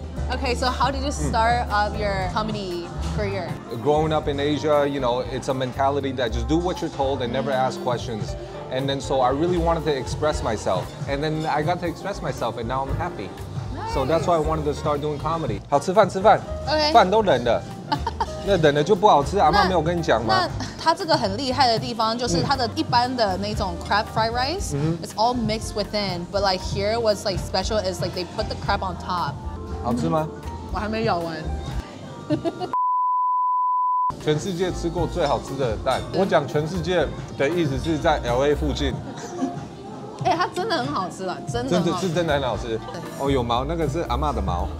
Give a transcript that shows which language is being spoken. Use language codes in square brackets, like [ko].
[en] Okay, so how did you start up your comedy career? Growing up in Asia, you know, it's a mentality that just do what you're told and never ask questions. And then so I really wanted to express myself, and then I got to express myself, and now I'm happy. So that's why I wanted to start doing comedy. [zh] 好吃饭，吃饭。 OK。饭都冷了，那冷了就不好吃。阿妈没有跟你讲吗？那他这个很厉害的地方就是他的一般的那种 [en] crab fried rice，it's all mixed within. But like here, what's like special is like they put the crab on top. [zh] 好吃吗？我还没咬完。全世界吃过最好吃的蛋。我讲全世界的意思是在 LA 附近。哎、欸，它真的很好吃了，真的很好吃，真的很好吃。哦，有毛，那个是阿妈的毛，